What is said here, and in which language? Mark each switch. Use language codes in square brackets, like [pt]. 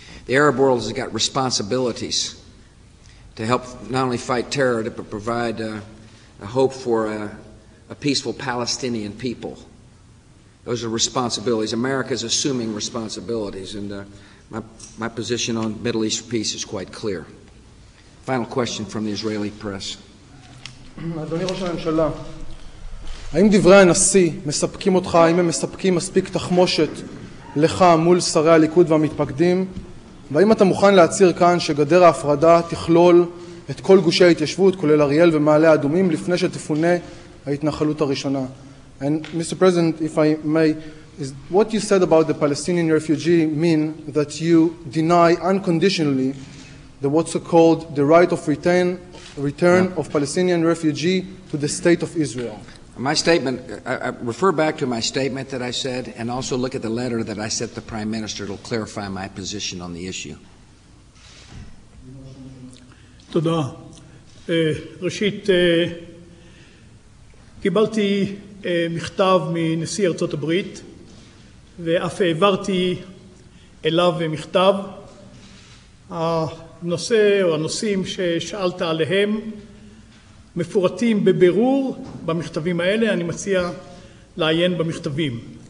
[en] The Arab world has got responsibilities to help not only fight terror, but provide a hope for a peaceful Palestinian people. Those are responsibilities. America's assuming responsibilities, and my position on Middle East peace is quite clear. Final question from the Israeli press. [he] אדוני ראש הממשלה, האם דברי הנשיא מספקים אותך, האם הם מספקים מספיק תחמושת לך מול שרי הליכוד והמתפקדים, והאם אתה מוכן להצהיר כאן שגדר ההפרדה תכלול את כל גושי ההתיישבות, כולל אריאל ומעלה אדומים, לפני שתפונה ההתנחלות הראשונה. [en] And Mr. President, if I may, is what you said about the Palestinian refugee mean that you deny unconditionally the what's called the right of return of Palestinian refugee to the state of Israel? My statement, I refer back to my statement that I said, and also look at the letter that I sent the Prime Minister. It'll clarify my position on the issue. [he] תודה. ראשית, קיבלתי מכתב מנשיא ארצות הברית, ואף העברתי אליו מכתב. הנושא או הנושאים ששאלת עליהם מפורטים בבירור במכתבים האלה, אני מציע לעיין במכתבים.